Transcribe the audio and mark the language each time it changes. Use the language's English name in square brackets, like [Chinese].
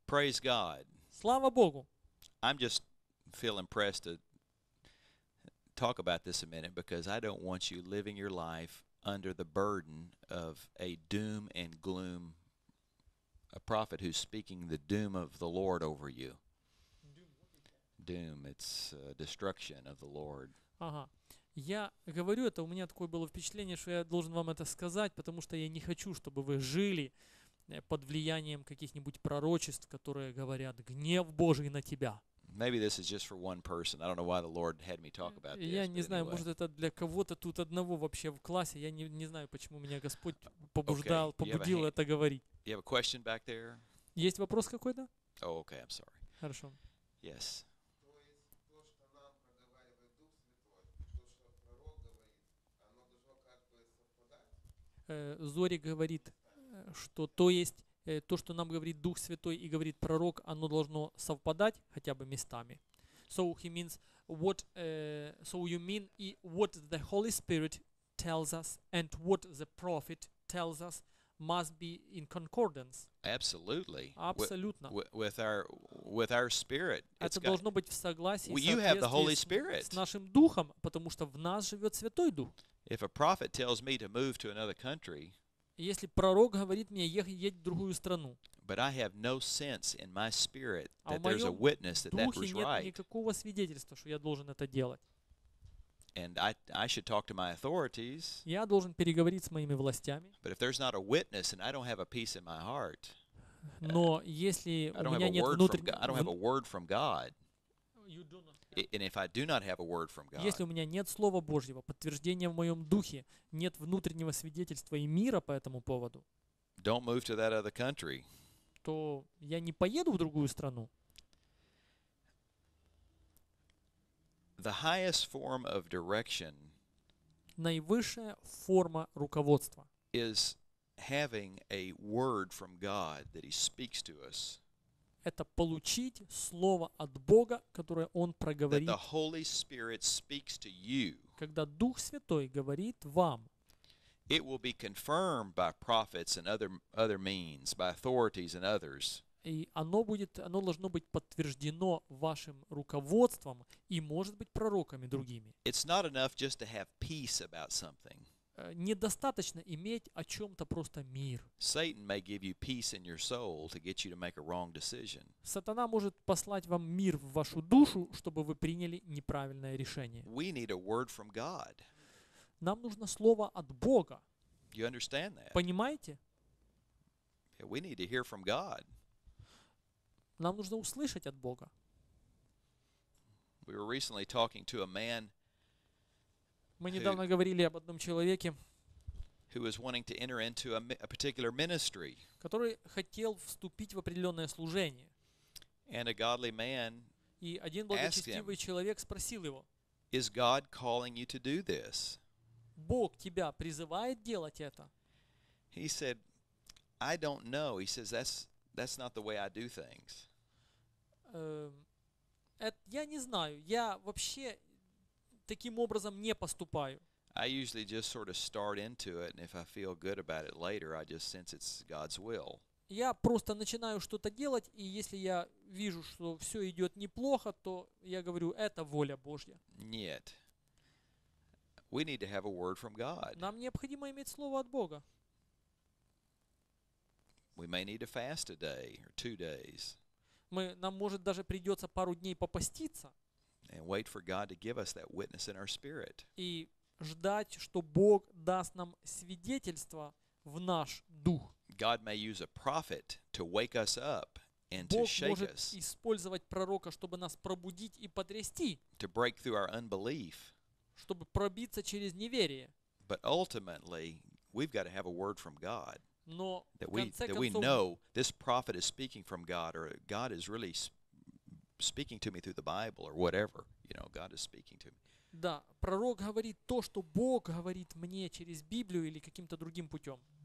[English] praise God. [Russian] Слава Богу. [English] I'm just feel impressed to talk about this a minute because I don't want you living your life under the burden of a doom and gloom, a prophet who's speaking the doom of the Lord over you. Doom, it's destruction of the Lord. [Russian] Ага. Я говорю это, у меня такое было впечатление, что я должен вам это сказать, потому что я не хочу, чтобы вы жили под влиянием каких-нибудь пророчеств, которые говорят «гнев Божий на тебя». [English] Maybe this is just for one person. I don't know why the Lord had me talk about this. [Russian] Я не знаю, [English] anyway. [Russian] Может это для кого-то тут одного вообще в классе. Я не знаю, почему меня Господь побуждал, побудил это говорить. [English] You have a question back there? [Russian] Есть вопрос какой-то? [English] Oh, okay, I'm sorry. [Russian] Хорошо. [English] Yes. [Russian] Зори говорит, что то есть то, что нам говорит Дух Святой и говорит Пророк, оно должно совпадать хотя бы местами. [English] So he means what? So you mean what the Holy Spirit tells us and what the Prophet tells us must be in concordance? Absolutely. [Russian] Абсолютно. [English] With our spirit. [Russian] Это должно быть в согласии с нашим духом, потому что в нас живет Святой Дух. [English] If a prophet tells me to move to another country. [Russian] Если пророк говорит мне ехать в другую страну, [English] but I have no sense in my spirit that there's a witness that was right. [Russian] А в моем духе нет никакого свидетельства, что я должен это делать. [English] And I should talk to my authorities. [Russian] Я должен переговорить с моими властями. [English] But if there's not a witness and I don't have a peace in my heart, [Russian] но если у меня нет внутреннего, [English] I don't have a word from God. You do not. And if I do not have a word from God, [Russian] если у меня нет слова Божьего, подтверждения в моем духе, нет внутреннего свидетельства и мира по этому поводу, [English] don't move to that other country. [Russian] То я не поеду в другую страну. [English] The highest form of direction, [Russian] наивысшая форма руководства, [English] is having a word from God that He speaks to us. [Russian] Это получить слово от Бога, которое Он проговорит. [English] That the Holy Spirit speaks to you, [Russian] когда Дух Святой говорит вам, [English] it will be confirmed by prophets and other means, by authorities and others. [Russian] И оно должно быть подтверждено вашим руководством и, может быть, пророками другими. [English] It's not enough just to have peace about something. [Russian] Недостаточно иметь о чем-то просто мир. [English] Satan may give you peace in your soul to get you to make a wrong decision. [Russian] Сатана может послать вам мир в вашу душу, чтобы вы приняли неправильное решение. [English] We need a word from God. [Russian] Нам нужно слово от Бога. [English] You understand that? [Russian] Понимаете? [English] Yeah, we need to hear from God. [Russian] Нам нужно услышать от Бога. [English] We were recently talking to a man. [Russian] Мы недавно говорили об одном человеке, который хотел вступить в определенное служение. [English] And a godly man, [Russian] и один благочестивый человек спросил его, [English] is God calling you to do this? [Russian] Бог тебя призывает делать это? [English] He said, I don't know. He says, that's not the way I do things. [Russian] Я не знаю. Я вообще таким образом не поступаю. [English] I usually just sort of start into it, and if I feel good about it later, I just sense it's God's will. [Russian] Я просто начинаю что-то делать, и если я вижу, что все идет неплохо, то я говорю, это воля Божья. Нет. [English] We need to have a word from God. [Russian] Нам необходимо иметь слово от Бога. [English] We may need to fast a day or two days. [Russian] Нам может даже придется пару дней попоститься. [English] And wait for God to give us that witness in our spirit. [Russian] И ждать, что Бог даст нам свидетельство в наш дух. [English] God may use a prophet to wake us up and to shake us. [Russian] Бог может использовать пророка, чтобы нас пробудить и потрясти. [English] To break through our unbelief. [Russian] Чтобы пробиться через неверие. [English] But ultimately, we've got to have a word from God. [Russian] Но [English] that we know this prophet is speaking from God, or God is really speaking to me through the Bible, or whatever, you know, God is speaking to me. [Russian] Да, пророк говорит то, что Бог говорит мне через Библию или каким-то другим путем.